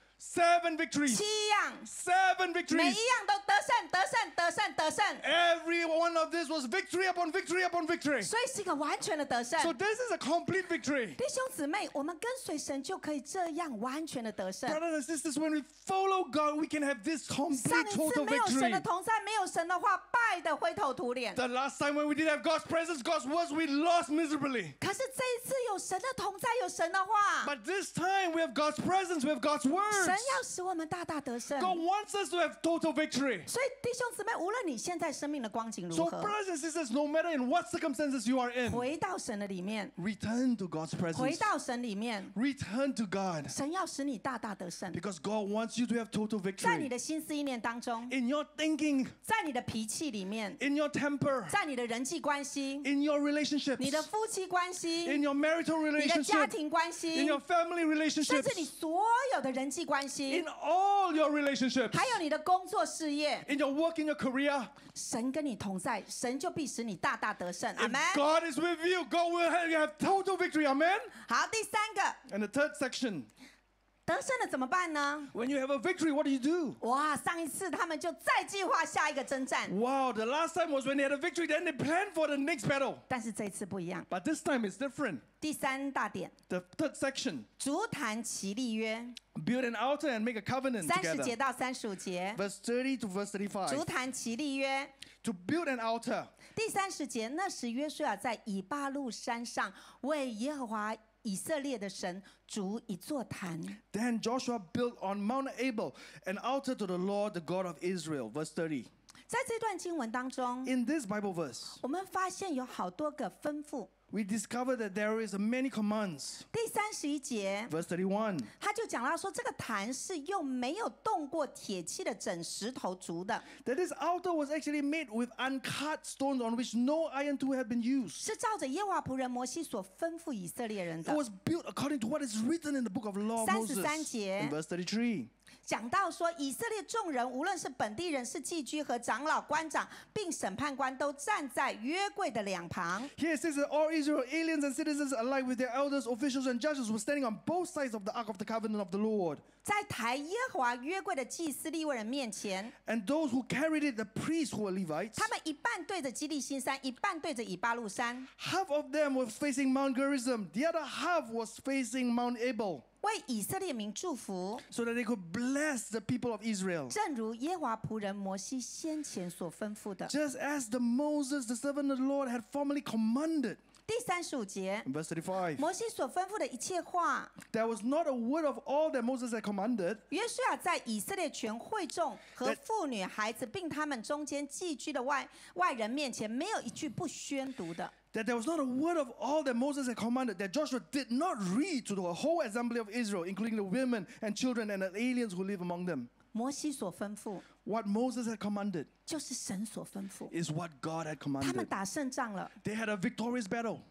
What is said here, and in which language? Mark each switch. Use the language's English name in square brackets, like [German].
[English] Seven victories. [Chinese] 七样。 [English] Seven victories. [Chinese] 每一样都得胜，得胜，得胜，得胜。 [English] Every one of this was victory upon victory upon victory. [Chinese] 所以是一个完全的得胜。 [English] So this is a complete victory. [Chinese] 弟兄姊妹，我们跟随神就可以这样完全的得胜。 [English] Brothers and sisters, when we follow God, we can have this complete total victory. [Chinese] 上一次没有神的同在，没有神的话，败得灰头土脸。 [English] The last time when we didn't have God's presence, God's words, we lost miserably. [Chinese] 可是这一次有神的同在，有神的话。 [English] But this time we have God's presence, we have God's words. [Chinese] 神要使我们大大得胜。 [English] God wants us to have total victory. [Chinese] 所以弟兄姊妹，无论你现在生命的光景如何 [English] ，So brothers and sisters, no matter in what circumstances you are in, [Chinese] 回到神的里面 [English] ，Return to God's presence. [Chinese] 回到神里面 [English] ，Return to God. [Chinese] 神要使你大大得胜 [English] ，Because God wants you to have total victory. [Chinese] 在你的心思意念当中 [English] ，In your thinking. [Chinese] 在你的脾气里面 [English] ，In your temper. [Chinese] 在你的人际关系 [English] ，In your relationships. [Chinese] 你的夫妻关系 [English] ，In your marital relationships. [Chinese] 你的家庭关系 [English] ，In your family relationships. [Chinese] 甚至你所有的人际关系。 [English] In all your relationships, [Chinese] 还有你的工作事业 [English] in your work, in your career, [Chinese] 神跟你同在，神就必使你大大得胜。Amen. [English] If God is with you, God will help you have total victory. Amen. [Chinese] 好，第三个 [English] and the third section. [Chinese] 得胜了怎么办呢？ [English] When you have a victory, what do you do? [Chinese] 哇，上一次他们就再计划下一个征战。 [English] Wow, the last time was when they had a victory, then they planned for the next battle. [Chinese] 但是这一次不一样。 [English] But this time is different. [Chinese] 第三大点 [English] the third section. [Chinese] 筑坛其立约。 [English] Build an altar and make a covenant together. [Chinese] 30节到35节 [English] Verse 30 to verse 35. [Chinese] 筑坛其立约 [English] To build an altar. [Chinese] 第30节那时约书亚在以巴路山上为耶和华以色列的神筑一座坛 [English] Then Joshua built on Mount Ebal an altar to the Lord the God of Israel. Verse 30. [Chinese] 在这段经文当中 [English] In this Bible verse. [Chinese] 我们发现有好多个吩咐 [English] we discover that there is many commands. [Chinese] 第三十一节 [English] verse 31, [Chinese] 他就讲到说，这个坛是用没有动过铁器的整石头筑的。 [English] That this altar was actually made with uncut stones on which no iron tool had been used. [Chinese] 是照着耶和华仆人摩西所吩咐以色列人的。 [English] It was built according to what is written in the book of law of Moses. [Chinese] 三十三节 [English] in verse 33. [Chinese] 讲到说，以色列众人，无论是本地人、是祭居和长老、官长，并审判官，都站在约柜的两旁。 [English] Here it says that all Israel, aliens and citizens alike, with their elders, officials and judges, were standing on both sides of the ark of the covenant of the Lord. [Chinese] 在抬耶和华约柜的祭司利未人面前。 [English] And those who carried it, the priests who were Levites. [Chinese] 他们一半对着基利心山，一半对着以巴路山。 [English] Half of them were facing Mount Gerizim, the other half was facing Mount Abel. [Chinese] 为以色列民祝福 [English] so that they could bless the people of Israel. [Chinese] 正如耶华仆人摩西先前所吩咐的 [English] just as the Moses, the servant of the Lord, had formerly commanded. [Chinese] 第三十五节 [English] verse 35, [Chinese] 摩西所吩咐的一切话 [English] there was not a word of all that Moses had commanded. [Chinese] 约书亚在以色列全会众和妇女孩子并他们中间寄居的 外人面前没有一句不宣读的。 [English] That there was not a word of all that Moses had commanded that Joshua did not read to the whole assembly of Israel, including the women and children and the aliens who live among them. [Chinese] 摩西所吩咐 [English] what Moses had commanded [Chinese] 就是神所吩咐 [English] is what God had commanded. [Chinese] 他们打胜仗了 [English] They had a victorious battle.